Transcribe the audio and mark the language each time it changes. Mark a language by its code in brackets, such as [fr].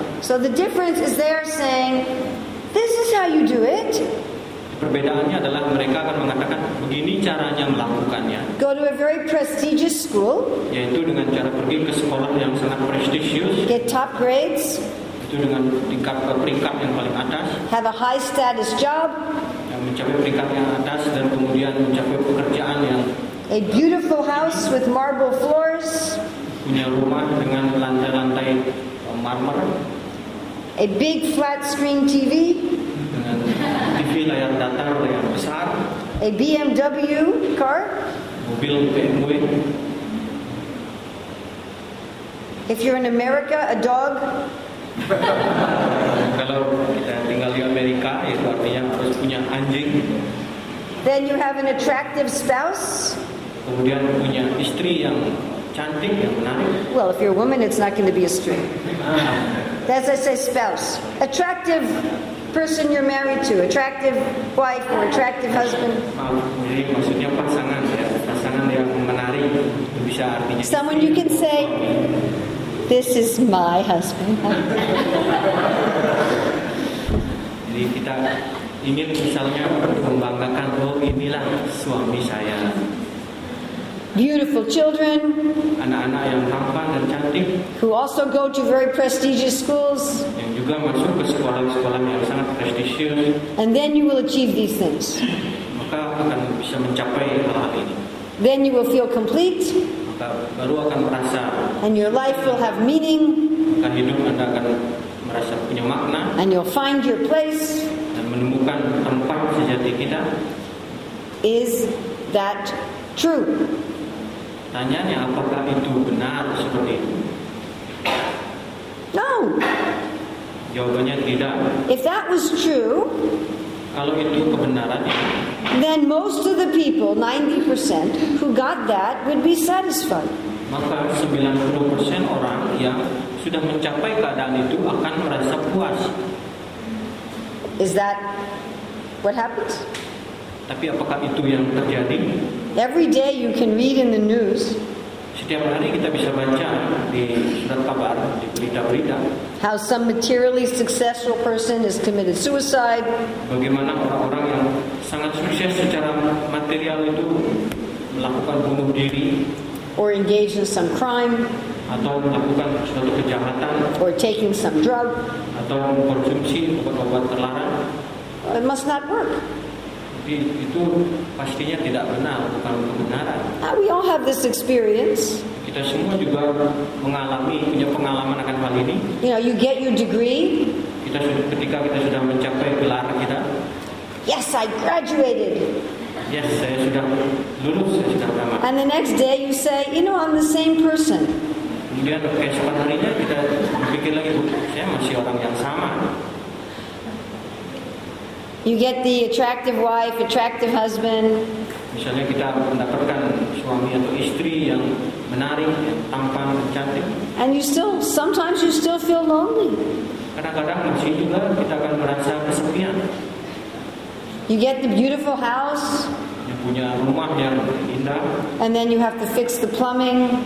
[en] So the difference is they're saying, this is how you do it. [id] Perbedaannya adalah mereka akan mengatakan begini caranya melakukannya. [en] Go to a very prestigious school. [id] Yaitu dengan cara pergi ke sekolah yang sangat prestigious. [en] Get top grades. [id] Itu dengan tingkat peringkat yang paling atas. [en] Have a high status job. [id] Yang mencapai peringkat yang atas dan kemudian mencapai pekerjaan yang. [en] A beautiful house with marble floors. [id] Punya rumah dengan lantai-lantai marmer. [en] A big flat screen TV. [id] TV layar datar yang besar. [en] A BMW car. [id] Mobil BMW. [en] If you're in America, a dog. [id] Kalau kita tinggal di Amerika, itu artinya harus punya anjing. [en] Then you have an attractive spouse. [id] Kemudian punya istri yang cantik, yang menarik. [en] Well, if you're a woman, it's not going to be a istri. As I say, spouse, attractive person you're married to, attractive wife or attractive husband. [id] Maksudnya pasangan, ya. Pasangan yang menarik, itu bisa artinya. [en] Someone you can say, this is my husband. [id] Jadi kita ingin misalnya membanggakan, oh inilah suami saya. [en] Beautiful children. [id] Anak-anak yang tampan dan cantik. [en] Who also go to very prestigious schools. [id] Yang juga masuk ke sekolah-sekolah yang sangat prestisius. [en] And then you will achieve these things. [id] Maka akan bisa mencapai hal-hal ini. [en] Then you will feel complete. [id] Maka baru akan merasa. [en] And your life will have meaning. [id] Dan hidup Anda akan merasa punya makna. [en] And you'll find your place. [id] Dan menemukan tempat sejati kita. [en] Is that true? [id] Tanyanya apakah itu benar seperti itu? [en] No. [id] Jawabannya tidak. [en] If that was true, [id] kalau itu kebenarannya, [en] then most of the people, 90% who got that would be satisfied. [id] Maka 90% orang yang sudah mencapai keadaan itu akan merasa puas. [en] Is that what happens? [id] Tapi apakah itu yang terjadi? [en] Every day you can read in the news. [id] Setiap hari kita bisa baca di surat kabar, di berita-berita. [en] How some materially successful person has committed suicide. [id] Bagaimana orang-orang yang sangat sukses secara material itu melakukan bunuh diri. [en] Or engaged in some crime. [id] Atau melakukan suatu kejahatan. [en] Or taking some drug. [id] Atau mengkonsumsi obat-obat terlarang. [en] It must not work. [id] Itu pastinya tidak benar, bukan kebenaran. [en] We all have this experience. [id] Kita semua juga mengalami, punya pengalaman akan hal ini. [en] You know, you get your degree. [id] Ketika kita sudah mencapai gelar kita. [en] Yes, I graduated. [id] Yes, saya sudah lulus, saya sudah tamat. [en] And the next day you say, you know, I'm the same person. [id] Kemudian keesokan harinya kita berpikir lagi, saya masih orang yang sama. [en] You get the attractive wife, attractive husband. [id] Misalnya kita mendapatkan suami atau istri yang menarik, tampan, cantik. [en] And you still, sometimes you still feel lonely. [id] Kadang-kadang masih juga kita akan merasa kesepian. [en] You get the beautiful house. [id] Yang punya rumah yang indah. [en] And then you have to fix the plumbing.